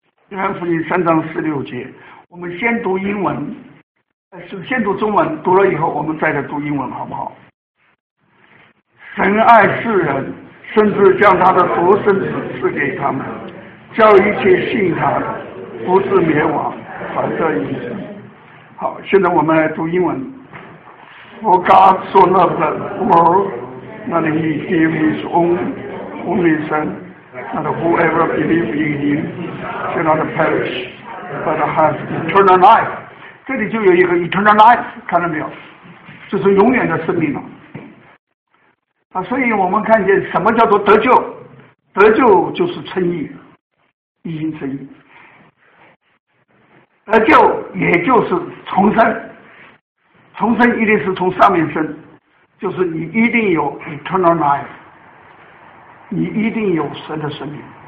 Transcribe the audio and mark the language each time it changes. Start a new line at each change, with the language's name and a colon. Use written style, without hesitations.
Chinese: 约翰福音三章十六节，我们先读英文，先读中文，读了以后我们再来读英文，好不好？神爱世人，甚至将他的独生子赐给他们，叫一切信他的不至灭亡，反得永生。好，现在我们来读英文。
English: For God so loved the world that he gave his only son that whoever believes in him shall not perishBut has eternal life，
Chinese: 这里就有一个
English: eternal life，
Chinese: 看到没有？就是永远的生命了。啊，所以我们看见什么叫做得救？得救就是称义，已经称义。得救也就是重生，重生一定是从上面生，就是你一定有 eternal life， 你一定有神的生命。